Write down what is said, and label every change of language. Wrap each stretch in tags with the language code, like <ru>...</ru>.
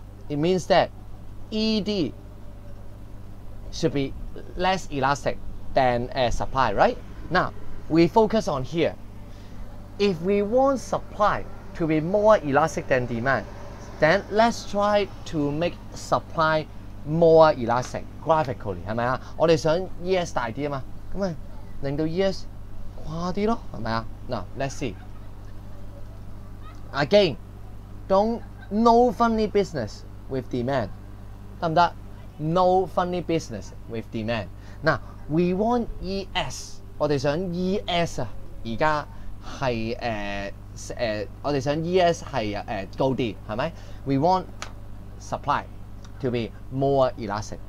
<en>It means that ED should be less elastic than supply, right? Now, we focus on here. If we want supply to be more elastic than demand, then let's try to make supply more elastic graphically,</en> <zh>是不是？我们想 ES 大一点嘛，那么令到 ES誇啲咯，係咪啊？</zh> <en>嗱 ，let's see. Again, no funny business with demand，</en> <zh>得唔得</zh> <en>？No funny business with demand. Now we want ES，</en> <zh>我哋想 ES 啊，而家係我哋想 ES 係高啲，係咪 ？</zh> <en>We want supply to be more elastic.</en>